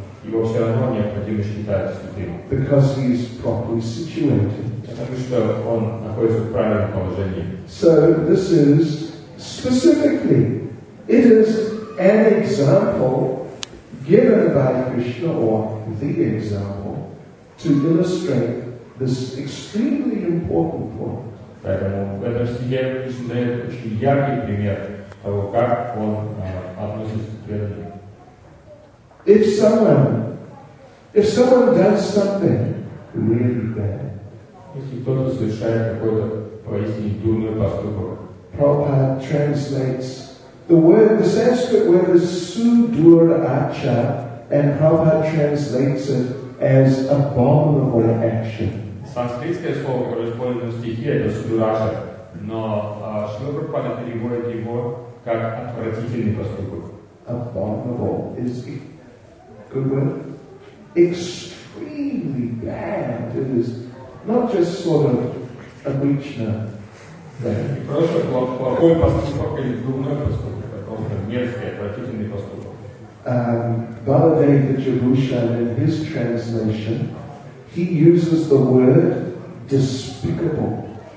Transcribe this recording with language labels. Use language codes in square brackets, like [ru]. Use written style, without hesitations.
[ru] Его все равно необходимо считать святым. [en] Because he is properly situated. [ru] Потому что он находится в правильном положении. [en] So this is specifically, it is an example given by Krishna, or the example, to illustrate this extremely important point. [ru] Поэтому в этом стихе Кришна дает очень яркий пример того, как он относится к преданным. [en] If someone does something really bad, [ru] если кто-то совершает какой-то поистине дурной поступок, [en] Prabhupada translates the word, the Sanskrit word is sudurācha, and Prabhupada translates it as abominable action. [ru] С санскритское слово, которое используется в стихе, это сураша. Но Шрила Прабхупада переводит его как отвратительный поступок. [en] Abominable is a good word. Extremely bad. It is not just sort of a breach. [ru] Просто плохой поступок или дурной поступок, а просто мерзкий, отвратительный поступок. [en] Баладейва Джабушан, in his translation, he uses the word despicable.